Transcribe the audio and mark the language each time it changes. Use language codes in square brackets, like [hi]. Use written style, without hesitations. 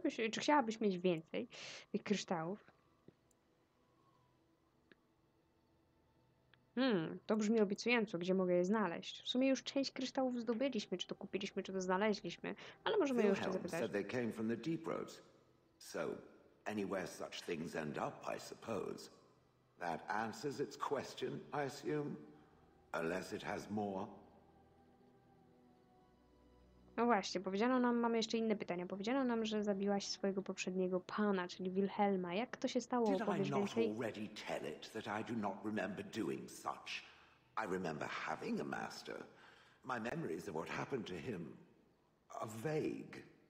[pl] Czy chciałabyś mieć więcej tych kryształów? To brzmi obiecująco. Gdzie mogę je znaleźć? W sumie już część kryształów zdobyliśmy, czy to kupiliśmy, czy to znaleźliśmy, ale możemy jeszcze zapytać. [en] Said they came from the deep roads. So, anywhere such things end up, I suppose. That answers its question, I assume? Unless it has more? [pl] No właśnie, powiedziano nam, mamy jeszcze inne pytania. Powiedziano nam, że zabiłaś swojego poprzedniego pana, czyli Wilhelma. Jak to się stało? Powiesz więcej? [en] Did I not already tell it that I do not remember doing such? I remember having a master. My memories of what happened to him are vague.